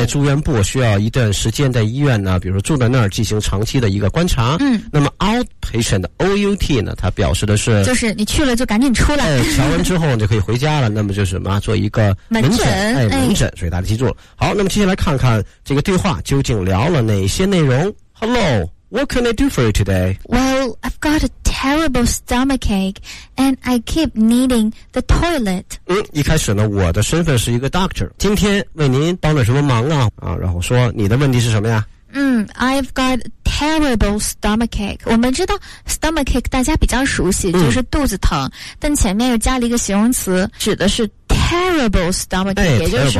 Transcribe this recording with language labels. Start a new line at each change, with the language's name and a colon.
Chinese: 住院部需要一段时间在医院呢，比如说住在那儿进行长期的一个观察。那么 outpatient OUT 呢，它表示的是就是你去了就赶紧出来，瞧完之后你就可以回家了。那么就是什么，做一个门诊。门诊，所以大家记住了。好，那么接下来看看这个对话究竟聊了哪些内容。
English: Hello, what can I do for you today? Well, I've got aTerrible stomachache, and I keep needing the toilet.
Chinese: 一开始呢，我的身份是一个 doctor， 今天为您帮了什么忙啊？然后说你的问题是什么呀？
English: I've got terrible stomachache。
Chinese: 我们知道 stomachache 大家比较熟悉，就是肚子疼，但前面又加了一个形容词，指的是
English: terrible stomach，
Chinese: 也就是